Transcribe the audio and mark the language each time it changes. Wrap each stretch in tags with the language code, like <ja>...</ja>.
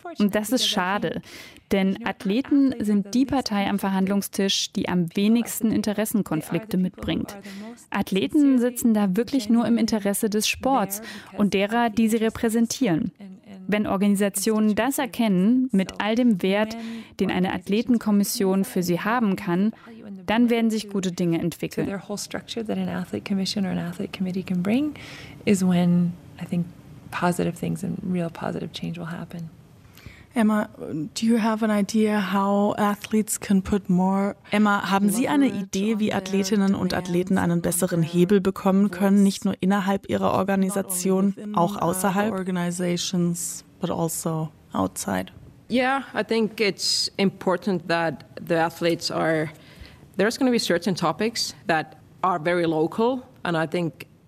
<de>Und das ist schade, denn Athleten sind die Partei am Verhandlungstisch, die am wenigsten Interessenkonflikte mitbringt. Athleten sitzen da wirklich nur im Interesse des Sports und derer, die sie repräsentieren. Wenn Organisationen das erkennen, mit all dem Wert, den eine Athletenkommission für sie haben kann, dann werden sich gute Dinge entwickeln.</de> <en>Their whole structure that an athlete commission or an athlete committee can bring is when I think positive things and real positive change will happen. Emma, do you have an idea how athletes can put more?</en> <de>Emma, haben Sie eine Idee, wie Athletinnen und Athleten einen besseren Hebel bekommen können, nicht nur innerhalb ihrer Organisation, auch außerhalb?</de> <en>Organizations, but also outside. Yeah, I think it's important that the athletes are. There's going to be certain topics that are very local, and I think.</en>